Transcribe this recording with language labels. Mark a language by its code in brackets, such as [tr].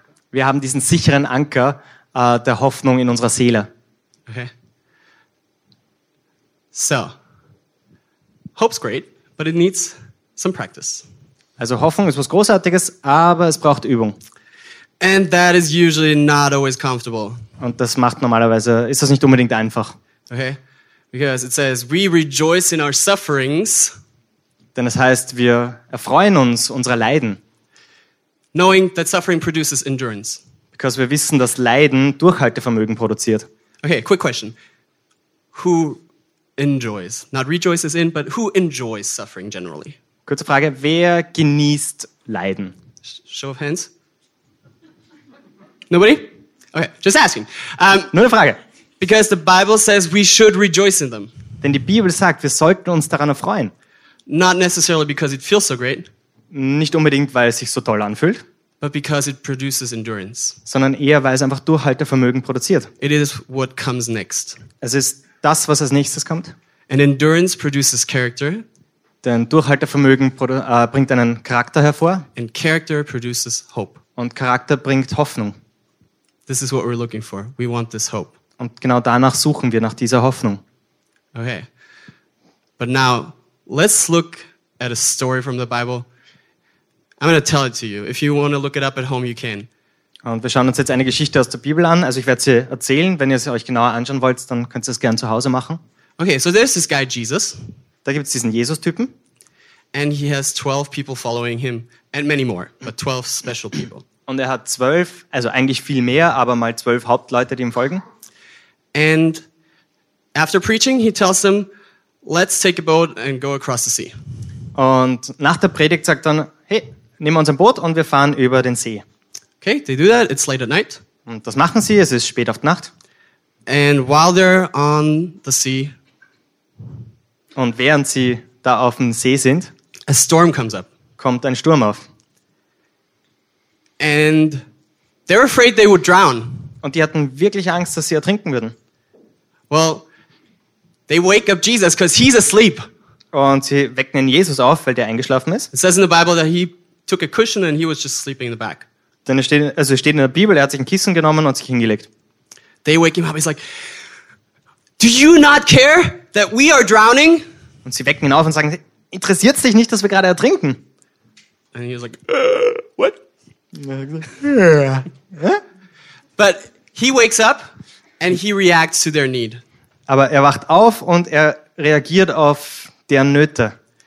[de] Wir haben diesen sicheren Anker der Hoffnung in unserer Seele. [en] Okay. So, hope's great, but it needs some practice. [de] Also Hoffnung ist was Großartiges, aber es braucht Übung. [en] And that is usually not always comfortable. [de] Und das macht normalerweise, ist das nicht unbedingt einfach. [en] Okay, because it says we rejoice in our sufferings. [de] Denn es heißt, wir erfreuen uns unserer Leiden. [en] Knowing that suffering produces endurance. Because [de] wir wissen, dass Leiden Durchhaltevermögen produziert. [en] Okay, quick question. Who enjoys? Not rejoices in, but who enjoys suffering generally? [de] Kurze Frage, wer genießt Leiden? [en] Show of hands. Nobody? Okay, just asking. [de] Nur eine Frage. [en] Because the Bible says we should rejoice in them. [de] Denn die Bibel sagt, wir sollten uns daran erfreuen. [en] Not necessarily because it feels so great. [de] Nicht unbedingt, weil es sich so toll anfühlt. [en] But because it produces endurance. [de] Sondern eher, weil es einfach Durchhaltevermögen produziert. [en] It is what comes next. [de] Es ist das, was als nächstes kommt. [en] And endurance produces character. [de] Denn Durchhaltevermögen bringt einen Charakter hervor. [en] And character produces hope. [de] Und Charakter bringt Hoffnung. [en] This is what we're looking for. We want this hope. [de] Und genau danach suchen wir nach dieser Hoffnung. [en] Okay. But now, let's look at a story from the Bible. I'm going to tell it to you. If you want to look it up at home, you can. [de] Und wir schauen uns jetzt eine Geschichte aus der Bibel an. Also ich werde sie erzählen. Wenn ihr sie euch genauer anschauen wollt, dann könnt ihr es gerne zu Hause machen. [en] Okay, so there's this guy, Jesus. [de] Da gibt es diesen Jesus-Typen. [en] And he has 12 people following him. And many more, but 12 special people. [de] Und er hat 12, also eigentlich viel mehr, aber mal 12 Hauptleute, die ihm folgen. [en] And after preaching, he tells them, let's take a boat and go across the sea. [de] Und nach der Predigt sagt er, hey, nehmen wir unser Boot und wir fahren über den See. [en] Okay, they do that. It's late at night. [de] Und das machen sie. Es ist spät auf die Nacht. [en] And while they're on the sea, [de] und während sie da auf dem See sind, [en] a storm comes up. [de] Kommt ein Sturm auf. [en] And they're afraid they would drown. [de] Und die hatten wirklich Angst, dass sie ertrinken würden. [en] Well, they wake up Jesus because he's asleep. [de] Und sie wecken ihn Jesus auf, weil der eingeschlafen ist. [en] It says in the Bible that he took a cushion and he was just sleeping in the back. [de] Denn es steht, also steht in der Bibel, er hat sich ein Kissen genommen und sich hingelegt. [en] They wake him up. He's like, "Do you not care that we are drowning?" [de] Und sie wecken ihn auf und sagen, interessiert es dich nicht, dass wir gerade ertrinken? [en] And he was like, "What?" But he wakes up and he reacts to their need. [de] Aber er wacht auf und er reagiert auf deren Nöte.